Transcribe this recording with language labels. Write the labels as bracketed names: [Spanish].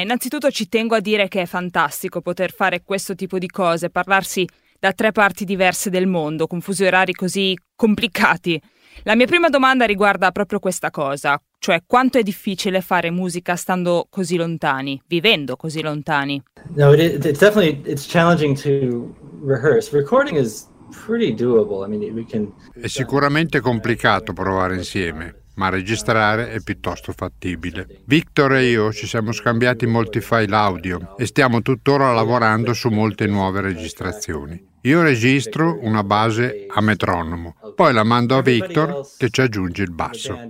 [Italian] Innanzitutto ci tengo a dire che è fantastico poter fare questo tipo di cose, parlarsi da tre parti diverse del mondo, con fusi orari così complicati. La mia prima domanda riguarda proprio questa cosa, cioè quanto è difficile fare musica stando così lontani, vivendo così lontani? [English] No, it's definitely, it's challenging to rehearse. Recording is pretty doable. I mean, we can... [Italian] È sicuramente complicato provare insieme, ma registrare è piuttosto fattibile. Victor e io ci siamo scambiati molti file audio e stiamo tuttora lavorando su molte nuove registrazioni. Io registro una base a metronomo, poi la mando a Victor che ci aggiunge il basso.